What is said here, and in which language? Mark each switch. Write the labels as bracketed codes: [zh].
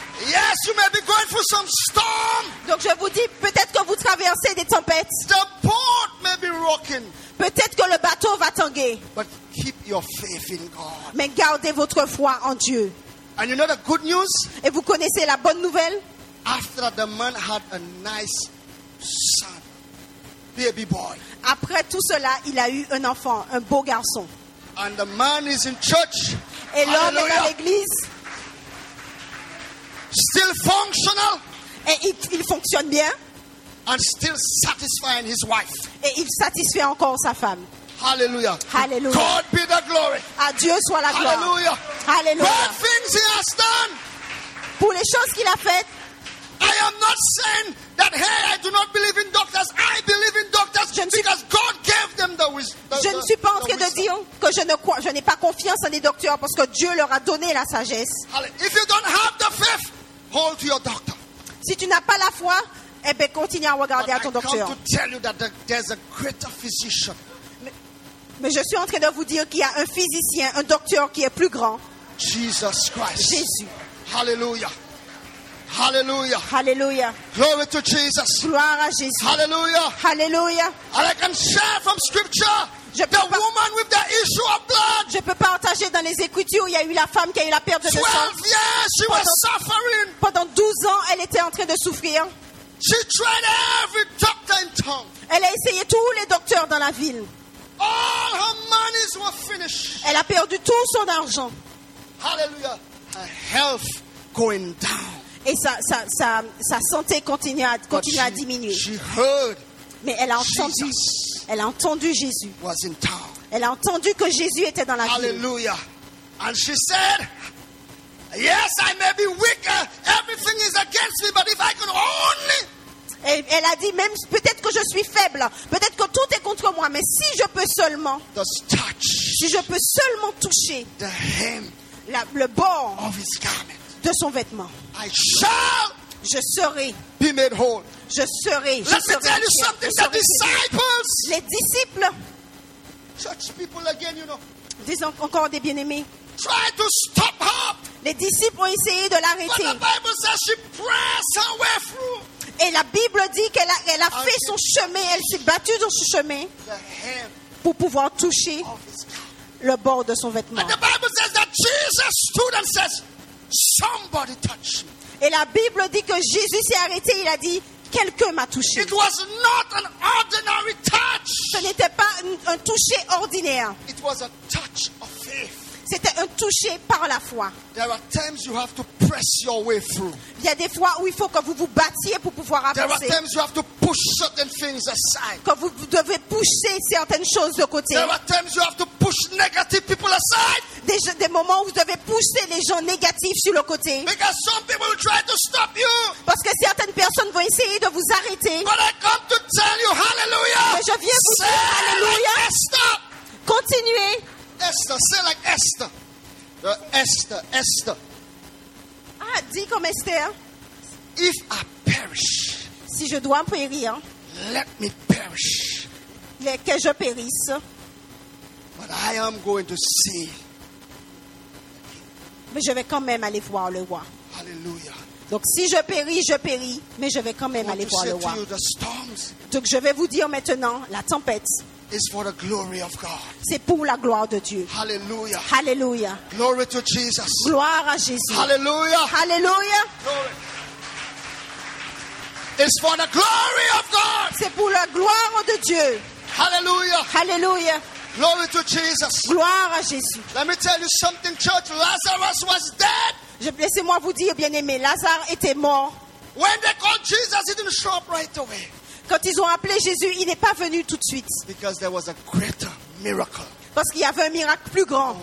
[en] Yes, you may be going through some storm. [fr] Donc je vous dis, peut-être que vous traversez des tempêtes. [en] The boat may be rocking. [fr] Peut-être que le bateau va tanguer. [en] But keep your faith in God. [fr] Mais gardez votre foi en Dieu. [en] And you know the good news? [fr] Et vous connaissez la bonne nouvelle? [en] After that, the man had a nice son, baby boy. [fr] Après tout cela, il a eu un enfant, un beau garçon. [en] And the man is in church. [fr] Et l'homme est dans l'église. [en] Still functional. [fr] Et il fonctionne bien. [en] And still satisfying his wife. [fr] Et il satisfait encore sa femme. [en] Hallelujah. [fr] Hallelujah. [en] God be the glory. [fr] À Dieu soit la gloire. [en] Hallelujah. [fr] Hallelujah. [en] God things he has done. [fr] Pour les choses qu'il a faites. [en] I am not saying that hey, I do not believe in doctors. I believe in doctors because God gave them the wisdom. [fr] Je ne suis pas en train de dire que je n'ai pas confiance en les docteurs parce que Dieu leur a donné la sagesse. [en] Hallelujah. If you don't have the faith, hold to your doctor. [fr] Si tu n'as pas la foi, eh bien, continue à regarder [en] But [fr] à ton docteur. [en] To tell you that there's a greater physician. [fr] Mais je suis en train de vous dire qu'il y a un physicien, un docteur qui est plus grand. [en] Jesus Christ. [fr] Jésus. [en] Hallelujah. Hallelujah. Hallelujah. Glory to Jesus. [fr] Gloire à Jésus. [en] Hallelujah. [fr] Hallelujah. [en] And I can share from scripture. Woman with the issue of blood. [fr] Je peux partager dans les Écritures, il y a eu la femme qui a eu la perte de sang. [en] 12 years she was suffering. [fr] Pendant 12 ans, elle était en train de souffrir. [en] She tried every doctor in town. [fr] Elle a essayé tous les docteurs dans la ville. [en] All her monies were finished. [fr] Elle a perdu tout son argent. [en] Hallelujah. Her health going down. [fr] Et sa santé continue à diminuer. [en] She heard. [fr] Mais elle a entendu. [en] Jesus. [fr] Elle a entendu Jésus. [en] Was in town. [fr] Elle a entendu que Jésus était dans la [en] Hallelujah. [fr] Ville. [en] Hallelujah. And she said, "Yes, I may be weak. Everything is against me, but if I can only..." [fr] elle a dit, même peut-être que je suis faible, peut-être que tout est contre moi, mais si je peux seulement, si je peux seulement toucher [en] the hem [fr] le bord [en] of his garment, [fr] de son vêtement, [en] I shall [fr] je serai [en] be made whole. [fr] Je serai. [en] Let me tell you something, the disciples, [fr] les disciples, [en] church people again, you know, [fr] disons encore des bien-aimés, [en] try to stop her. [fr] Les disciples ont essayé de l'arrêter. [en] But the Bible says she pressed her way through. [fr] Et la Bible dit qu'elle a, elle a fait son chemin, elle s'est battue dans son chemin pour pouvoir toucher le bord de son vêtement. [en] And the Bible says that Jesus stood and says, somebody touched me. [fr] Et la Bible dit que Jésus s'est arrêté, il a dit, quelqu'un m'a touché. [en] It was not an ordinary touch. [fr] Ce n'était pas un toucher ordinaire. [en] It was a touch of faith. [fr] C'était un toucher par la foi. [en] There are times you have to press your way through. [fr] Il y a des fois où il faut que vous vous battiez pour pouvoir avancer. [en] There are times you have to push certain things aside. [fr] Que vous devez pousser certaines choses de côté. [en] There are times you have to push negative people aside. [fr] Des moments où vous devez pousser les gens négatifs sur le côté. [en] Because some people will try to stop you. [fr] Parce que certaines personnes vont essayer de vous arrêter. [en] But I come to tell you, hallelujah. [fr] Mais je viens vous dire, alléluia. [en] Stop. [fr] Continuez. [en] Esther, say like Esther. Esther. [fr] Ah, dis comme Esther. [en] If I perish, [fr] si je dois périr, [en] let me perish. [fr] Mais que je périsse. [en] But I am going to see. [fr] Mais je vais quand même aller voir le roi. [en] Hallelujah. [fr] Donc si je péris, je péris. Mais je vais quand même aller voir le roi. [en] You, the storms, [fr] donc je vais vous dire maintenant la tempête. [en] Is for the glory of God. [fr] C'est pour la gloire de Dieu. [en] Hallelujah. [fr] Hallelujah. [en] Glory to Jesus. [fr] Gloire à Jésus. [en] Hallelujah. [fr] Hallelujah. [en] Glory. It's for the glory of God. [fr] C'est pour la gloire de Dieu. [en] Hallelujah. [fr] Hallelujah. [en] Glory to Jesus. [fr] Gloire à Jésus. [en] Let me tell you something, church. Lazarus was dead. [fr] Laissez-moi vous dire, bien-aimé, Lazare était mort. [en] When they called Jesus, he didn't show up right away. [fr] Quand ils ont appelé Jésus, il n'est pas venu tout de suite. [en] Because there was a greater miracle. [fr] Parce qu'il y avait un miracle plus grand